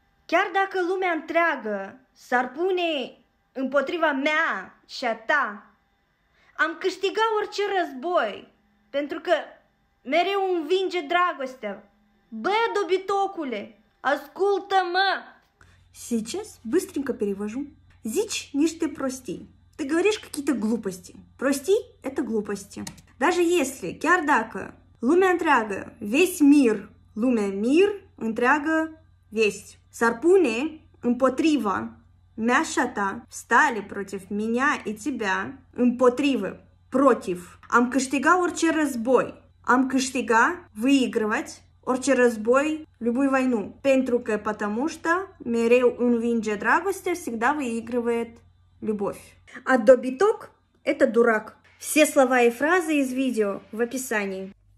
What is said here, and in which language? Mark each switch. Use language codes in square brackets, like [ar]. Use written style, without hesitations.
[ro] Chiar dacă lumea întreagă s-ar pune împotriva mea și a ta, am câștigat orice război, pentru că mereu învinge dragostea. Bă, dobitocule, ascultă-mă! [ru] Сейчас быстренько перевожу. [ro] Zici niște prostii. [ru] Ты говоришь какие-то глупости. [ro] Prostii [ru] – это глупости. Даже если, [ro] chiar dacă, lumea întreagă, [ru] весь мир, [ro] lumea [ru] мир, [ro] întreagă, [ru] весь. [ro] S-ar pune împotriva mea și a ta, [ru] встали против меня и тебя, [ro] împotrivă, [ru] против. [ro] Am câștigat orice război. Am câștigat, [ru] выигрывать, [ro] orice război, [ru] любую войну. [ro] Pentru că, [ru] потому что, [ro] mereu învinge dragostea, [ru] всегда выигрывает любовь. А добиток – это дурак. Все слова и фразы из видео в описании.